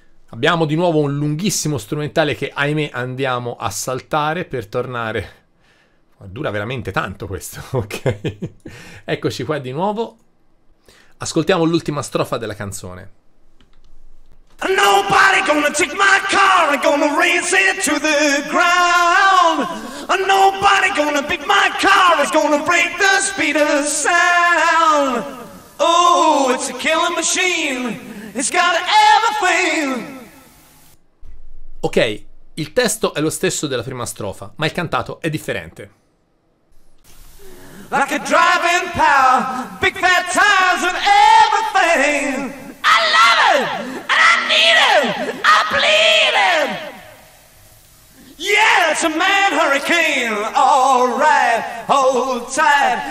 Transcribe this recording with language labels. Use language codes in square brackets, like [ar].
[it] Abbiamo di nuovo un lunghissimo strumentale che, ahimè, andiamo a saltare per tornare. Dura veramente tanto questo, ok? Eccoci qua di nuovo. Ascoltiamo l'ultima strofa della canzone. [en] Nobody gonna take my car, I'm gonna raise it to the ground. Nobody gonna beat my car, it's gonna break the speed of sound. Oh, it's a killing machine, it's got everything. [it] Ok, il testo è lo stesso della prima strofa, ma il cantato è differente. [en] Like a driving power, big fat tires and everything. I love it, and I need it, I bleed it. Yeah, it's a man hurricane, all right, hold tight.